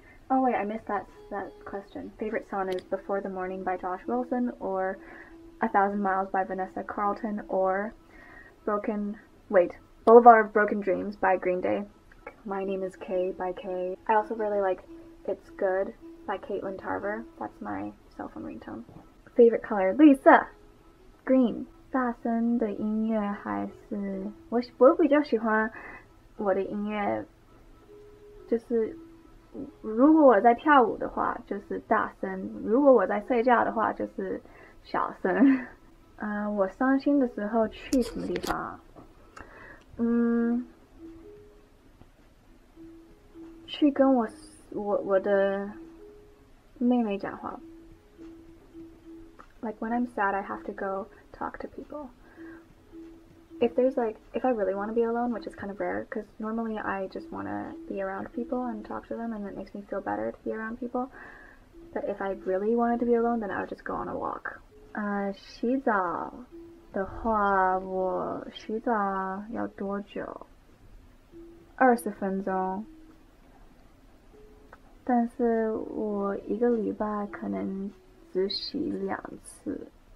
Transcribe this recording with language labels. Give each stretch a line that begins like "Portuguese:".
English: Oh wait, I missed that question. Favorite song is "Before the Morning" by Josh Wilson, or "A Thousand Miles" by Vanessa Carlton, or "Boulevard of Broken Dreams" by Green Day. "My Name Is K" by K. I also really like "It's Good" by Caitlin Tarver. That's my cell phone ringtone. Favorite color, Lisa. Green.
Chinese: 大声的音乐还是我比较喜欢我的音乐。就是，如果我在跳舞的话，就是大声；如果我在睡觉的话，就是小声。我伤心的时候去什么地方？去跟我的妹妹讲话。
English: Like when I'm sad, I have to go talk to people. If there's like, if I really want to be alone, which is kind of rare, because normally I just want to be around people and talk to them, and it makes me feel better to be around people. But if I really wanted to be alone, then I would just go on a walk.
Chinese: 洗澡的话，我洗澡要多久？ 20分钟。但是我一个礼拜可能只洗两次。